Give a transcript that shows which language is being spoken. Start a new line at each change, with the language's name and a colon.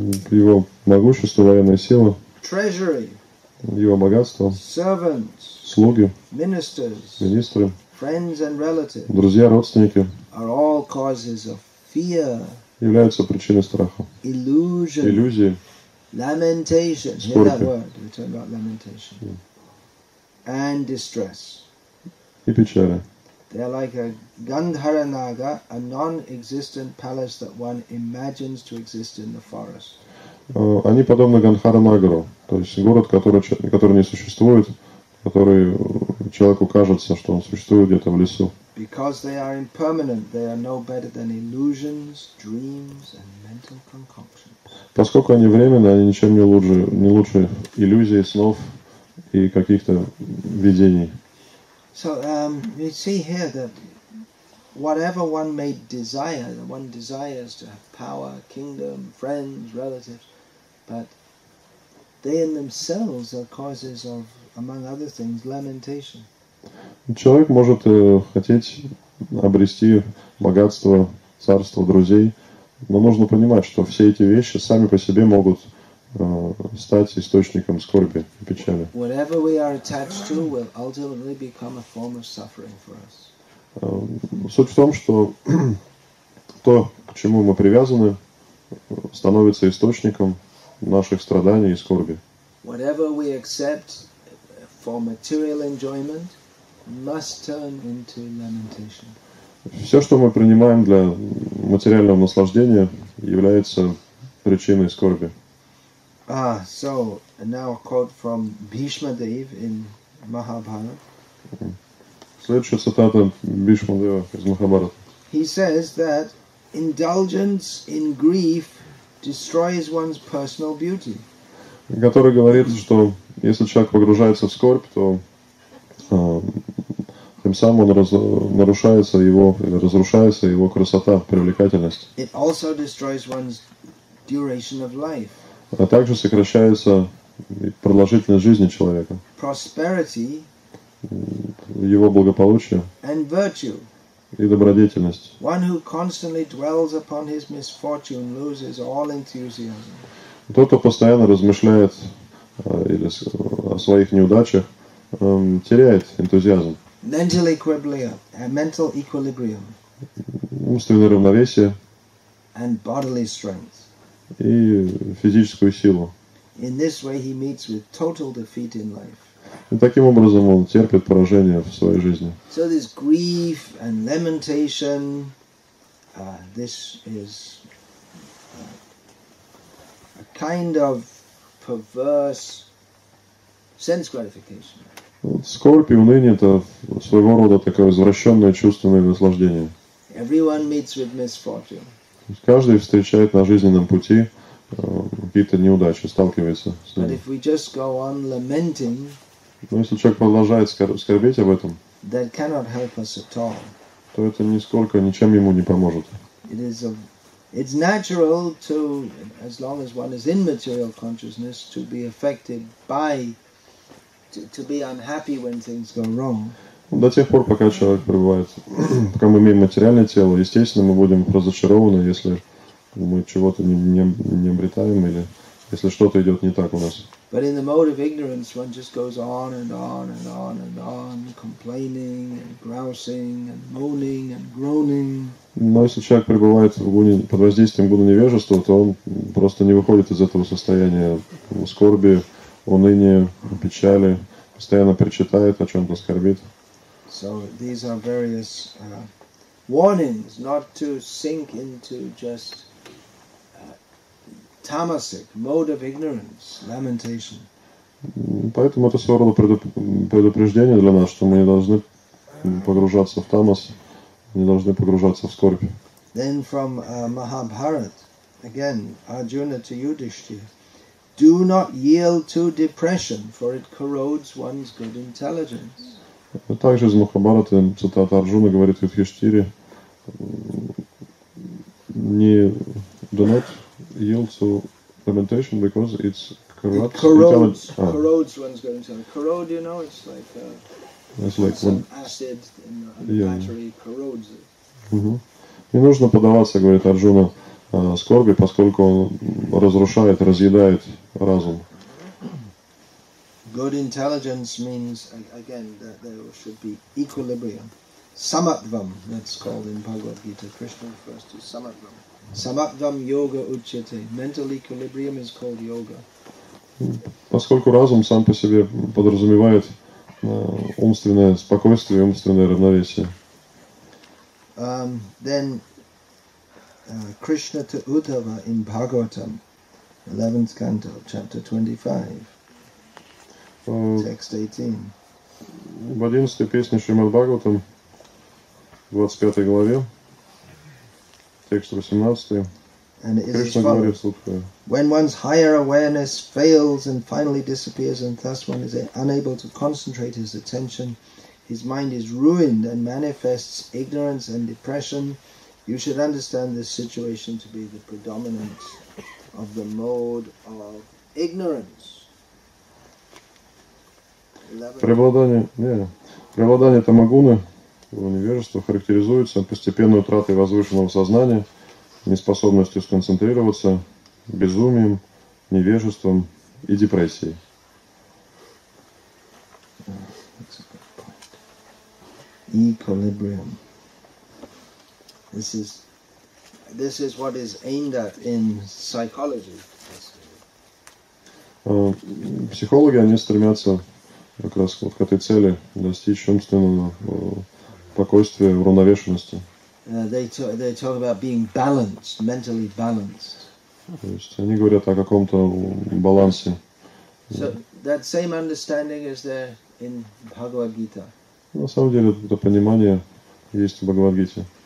Russian: Его могущество, военная сила.
English: Treasury.
Russian: Его богатство,
English: servants,
Russian: слуги,
English: ministers,
Russian: министры,
English: friends and relatives,
Russian: друзья, родственники,
English: are all causes of fear,
Russian: являются причиной страха,
English: illusion,
Russian: иллюзии,
English: lamentation,
Russian: скорби,
English: hear that word, we talk about lamentation, yeah, and distress.
Russian: И печали.
English: They are like a Gandharanaga, a non-existent palace that one imagines to exist in the forest.
Russian: Они подобны Гандхаранагару, то есть город, который не существует, который человеку кажется, что он существует где-то в лесу.
English: Because they are impermanent, they are no better than illusions, dreams, and mental concoctions.
Russian: Поскольку они временны, они ничем не лучше иллюзий, снов и каких-то видений.
English: So, you see here that whatever one may desire, one desires to have power, kingdom, friends, relatives, but they in themselves are causes of, among other things, lamentation.
Russian: Человек может хотеть обрести богатство, царство, друзей, но нужно понимать, что все эти вещи сами по себе могут стать источником скорби и печали.
English: Whatever we are attached to will ultimately become a form of suffering for us.
Russian: Суть в том, что то, к чему мы привязаны, становится источником наших страданий и скорби.
English: Whatever we accept for material enjoyment must turn into lamentation.
Russian: Все, что мы принимаем для материального наслаждения, является причиной скорби.
English: Ah, so now a quote from Bhishma Dev in Mahabharata.
Russian: Следующая цитата Бхишма Дева из Махабхараты.
English: He says that indulgence in grief destroys one's personal beauty.
Russian: Который говорит, что если человек погружается в скорбь, то тем самым он разрушается его красота, привлекательность.
English: It also destroys one's duration of life.
Russian: А также сокращается продолжительность жизни человека.
English: Prosperity,
Russian: его благополучие
English: and virtue.
Russian: И добродетельность.
English: One who constantly dwells upon his misfortune loses all enthusiasm.
Russian: Тот, кто постоянно размышляет или о своих неудачах, теряет энтузиазм.
English: Mental equilibrium, mental equilibrium.
Russian: Умственное равновесие.
English: And bodily strength.
Russian: И физическую силу.
English: In this way he meets with total defeat in life.
Russian: И таким образом он терпит поражение в своей жизни.
English: So this grief and lamentation, this is a kind of perverse sense gratification.
Russian: Скорбь и уныние — это своего рода такое извращенное чувственное наслаждение.
English: Everyone meets with misfortune.
Russian: Каждый встречает на жизненном пути какие-то неудачи, сталкивается с ними.
English: But if we just go on lamenting,
Russian: но если человек продолжает скорбеть об этом,
English: that cannot help us at all.
Russian: То это нисколько, ничем ему не поможет.
English: It's natural to, as long as one is in material consciousness, to be affected by, to be unhappy when things go wrong.
Russian: До тех пор, пока человек пребывает, пока мы имеем материальное тело, естественно, мы будем разочарованы, если мы чего-то не обретаем или если что-то идет не так у нас.
English: But in the mode of ignorance, one just goes on and on and on and on, complaining and grousing and moaning and groaning.
Russian: Но если человек пребывает в гуне, под воздействием гуна невежества, то он просто не выходит из этого состояния скорби, уныния, печали, постоянно причитает, о чем-то скорбит.
English: So these are various warnings not to sink into just tamasic, mode of ignorance, lamentation.
Russian: Поэтому это своего рода предупреждение для нас, что мы не должны погружаться в тамас, не должны погружаться в скорбь.
English: Then from Mahabharata, again, Arjuna to Yudhishthira. Do not yield to depression, for it corrodes one's good intelligence.
Russian: Также из Махабхараты цитата Арджуны говорит Юдхиштхире, не донат
English: yield to lamentation because it's corrupts. It corrodes. Corrodes one's good intelligence. Corrode, you know, it's like some acid in the battery corrodes it.
Russian: Не нужно поддаваться, говорит Арджуна, скорби, поскольку он разрушает, разъедает разум.
English: Good intelligence means again that there should be equilibrium. Samatvam, that's called in Bhagavad Gita. Krishna refers to samatvam.
Sanskrit: Samatvam yoga uchyate.
English: Mental equilibrium is called yoga.
Russian: Поскольку разум сам по себе подразумевает умственное спокойствие, умственное равновесие.
English: Then Krishna to Uddhava in Bhagavatam, 11th canto, chapter 25, text 18.
Russian: В 11-й песне Шримад Бхагаватам, 25-й главе, текст 18. Кришна говорит Судхая.
English: When one's higher awareness fails and finally disappears, and thus one is unable to concentrate his attention, his mind is ruined and manifests ignorance and depression, you should understand this situation to be the predominance of the mode of ignorance.
Russian: Преобладание тамагуны у невежества характеризуется постепенной утратой возвышенного сознания, неспособностью сконцентрироваться, безумием, невежеством и депрессией.
English: Equilibrium. This is what is aimed at in psychology.
Russian: Психологи, они стремятся как раз вот к этой цели достичь умственного спокойствия, уравновешенности.
English: They talk about being balanced, mentally balanced.
Russian: То есть они говорят о каком-то балансе.
English: So that same understanding is there in Bhagavad Gita.
Russian: На самом деле это понимание есть в Бхагавад-гите.